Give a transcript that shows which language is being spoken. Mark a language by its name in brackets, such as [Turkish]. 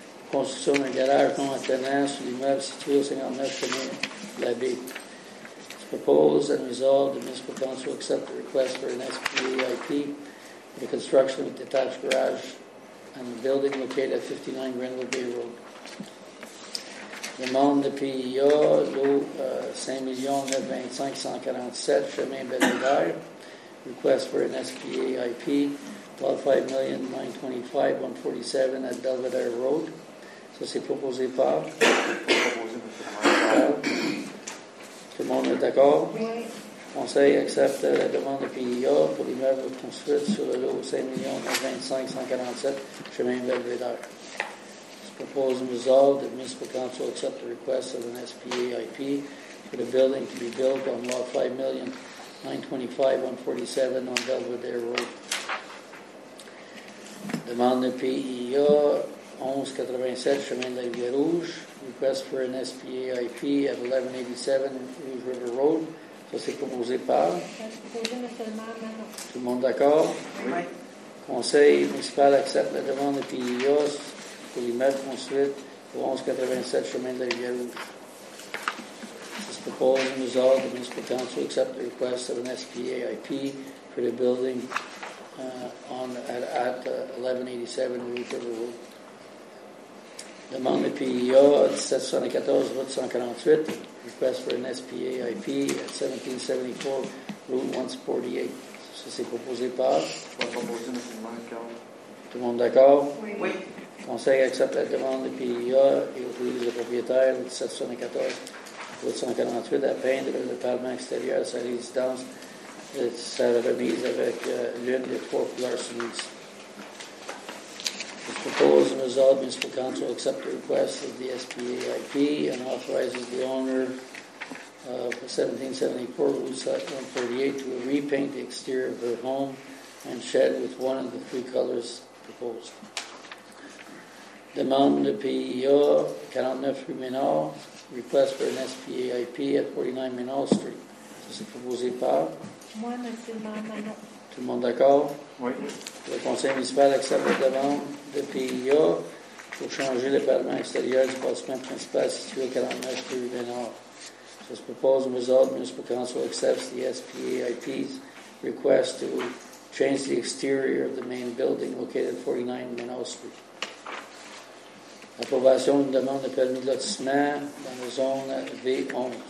[French] Construction d'un garage non attenant sur l'immeuble situé au 59 chemin de la baie. [English] It's proposed and resolved the Municipal Council accept the request for an SPAIP for the construction of a detached garage and the building located at 59 Grenville Bay Road. [French] Demande de PIA, lot 5,925,147 chemin Belvedere. [English] Request for an SPAIP, lot 5,925,147 at Belvedere Road. [French] Ça, c'est proposé par? Tout le monde est d'accord? Oui. Conseil accepte la demande de PIA pour l'immeuble construit sur le lot 5,925,147 chemin Belvedere. [English] It's proposed and resolved that the Municipal Council accept the request of an SPAIP for the building to be built on lot 5,925,147 on Belvedere Road. [French] Demande de PIA 1187 Chemin de la Rivière Rouge, [English] request for an SPAIP at 1187 Rouge River Road. [French] Ça, c'est proposé par? Tout le monde d'accord? Oui. Conseil municipal accepte la demande de PIA pour l'immeuble construit pour 1187 Chemin de la Rivière Rouge. C'est [English] Proposed and resolved, the municipal council accept the request of an SPAIP for the building at 1187 Rue Thibodeau. [French] Demande de PIA [English] 774-148, request for an SPAIP at 1774 Route 148. [French] Ça, c'est proposé par... Tout le monde d'accord? Oui. Le conseil accepte la demande de PIA et autorise le propriétaire de 774-148 à peindre le pavement extérieur de sa résidence et sa remise avec l'une des trois couleurs soumises. [English] The proposed and resolved municipal council accept the request of the SPAIP and authorizes the owner of 1774 Route 148 to repaint the exterior of her home and shed with one of the three colors proposed. [French] Demande de PIA 49 Rue Ménard, [English] request for an SPAIP at 49 Ménard Street. [French] Ça, c'est proposé par? Moi, Monsieur Manon. Tout le monde d'accord? Oui. Le conseil municipal accepte la demande de PIA pour changer le pavement extérieur du bâtiment principal situé au 49 Rue Ménard. Ça se propose, [English] resolve, municipal council accepts the SPAIP's request to change the exterior of the main building located at 49 Ménard Street. [French] Approbation d'une demande de permis de lotissement dans la zone V11.